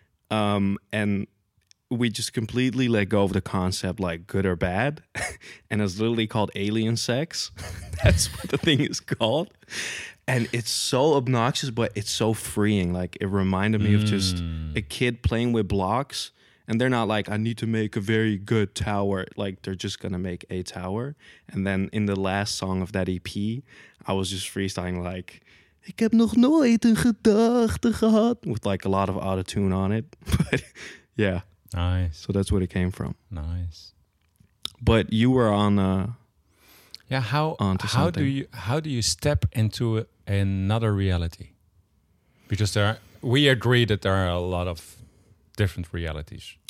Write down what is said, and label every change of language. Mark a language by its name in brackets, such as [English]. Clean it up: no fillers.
[English] And we just completely let go of the concept, like good or bad. And it's literally called alien sex. That's what the thing is called. And it's so obnoxious, but it's so freeing. Like it reminded me of just a kid playing with blocks. And they're not like, I need to make a very good tower. Like they're just going to make a tower. And then in the last song of that EP, I was just freestyling like, [Dutch] ik heb nog nooit een gedachte gehad. [English] With like a lot of autotune on it. But yeah. Nice. So that's where it came from. Nice. But you were on How do you step into another reality? Because we agree that there are a lot of different realities.